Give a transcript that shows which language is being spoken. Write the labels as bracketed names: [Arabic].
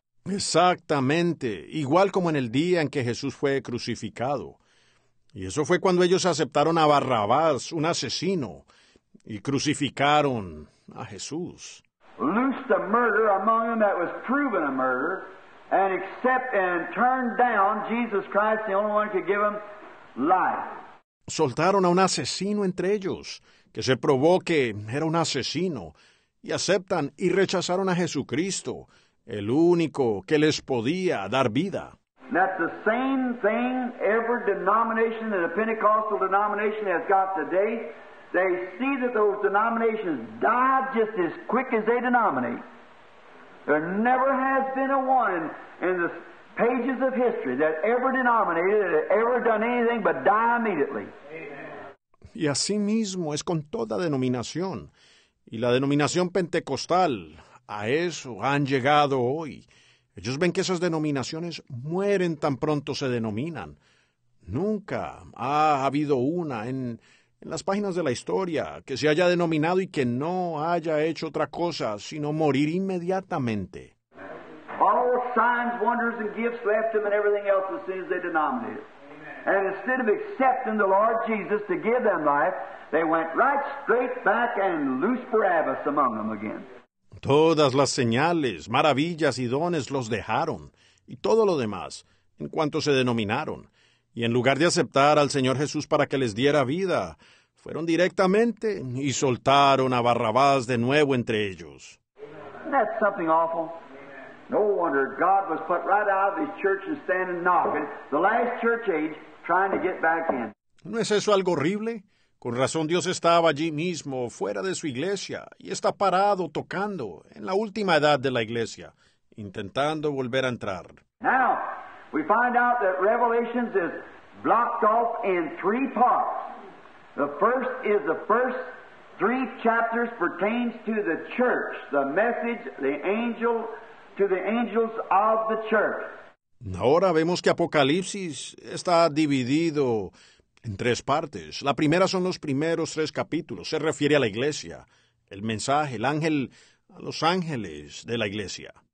[Spanish] Exactamente, igual como en el día en que Jesús fue crucificado. Y eso fue cuando ellos aceptaron a Barrabás, un asesino, y crucificaron a Jesús. [English] Loosed a murder among them that was proven a murder, and accept and turned down Jesus Christ, the only one who could give them life. [Spanish] Soltaron a un asesino entre ellos, que se probó que era un asesino, y aceptan y rechazaron a Jesucristo, el único que les podía dar vida. [English] That's the same thing every denomination and the Pentecostal denomination has got today. They see that those denominations died just as quick as they denominate. There never has been a one in the pages of history that ever denominated that ever done anything but die immediately. [Spanish] Y así mismo es con toda denominación. Y la denominación pentecostal, a eso han llegado hoy. Ellos ven que esas denominaciones mueren tan pronto se denominan. Nunca ha habido una en las páginas de la historia que se haya denominado y que no haya hecho otra cosa sino morir inmediatamente. [English] All signs, wonders, and gifts left them and everything else as soon as they denominated. And instead of accepting the Lord Jesus to give them life, they went right straight back and loosed Barabbas among them again. [Spanish] Todas las señales, maravillas y dones los dejaron, y todo lo demás, en cuanto se denominaron. Y en lugar de aceptar al Señor Jesús para que les diera vida, fueron directamente y soltaron a Barrabás de nuevo entre ellos. [English] That's something awful. No wonder God was put right out of his church and standing knocking, the last church age, trying to get back in. [Spanish] ¿No es eso algo horrible? Con razón Dios estaba allí mismo, fuera de su iglesia, y está parado, tocando, en la última edad de la iglesia, intentando volver a entrar. [English] Now, we find out that Revelation is blocked off in three parts. The first is the first three chapters pertains to the church, the message, the angel, to the angels of the church. [Spanish] Ahora vemos que Apocalipsis está dividido en tres partes. La primera son los primeros tres capítulos. Se refiere a la iglesia, el mensaje, el ángel, a los ángeles de la iglesia.